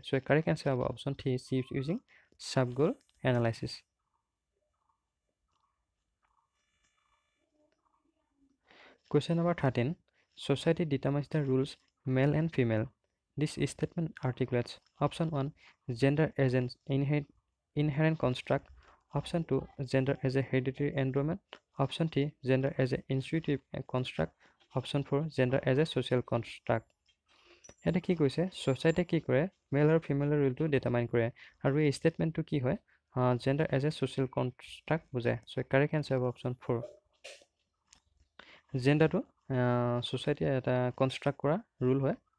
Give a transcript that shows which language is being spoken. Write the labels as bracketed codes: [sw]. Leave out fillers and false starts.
[en] So' correct answer হ'ব option 3 C is using ছাবগল analysis. Question number 13, society determines the rules male and female. This statement articulates option 1 gender as an inherent construct, option 2 gender as a hereditary endowment, option 3 gender as a intuitive construct, option 4 gender as a social construct. [as] এটা কি কৈছে, society কি কৰে, male আৰু female ৰোলটো determine কৰে, আৰু এই statementটো কি হয়, [en] gender as a social construct [as] বুজায়। [en] so correct answer [as] হব অপশন 4, জেণ্ডাৰটো ছ'চাইটিয়ে এটা কনষ্ট্ৰাক্ট কৰা ৰুল হয়।